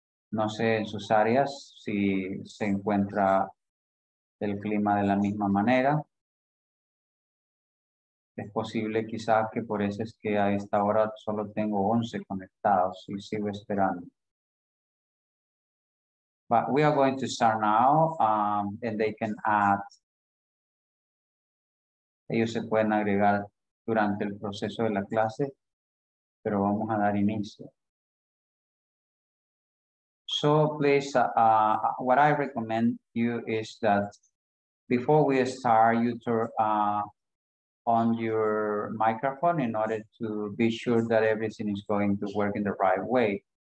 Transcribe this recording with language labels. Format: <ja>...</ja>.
<es>No sé en sus áreas si se encuentra el clima de la misma manera. Es posible quizás que por eso es que a esta hora solo tengo 11 conectados y sigo esperando.</es> <en>But we are going to start now and they can add.</en> <es>Ellos se pueden agregar durante el proceso de la clase, pero vamos a dar inicio.</es> <en>So please, what I recommend you is that before we start, you turn on your microphone in order to be sure that everything is going to work in the right way.</en>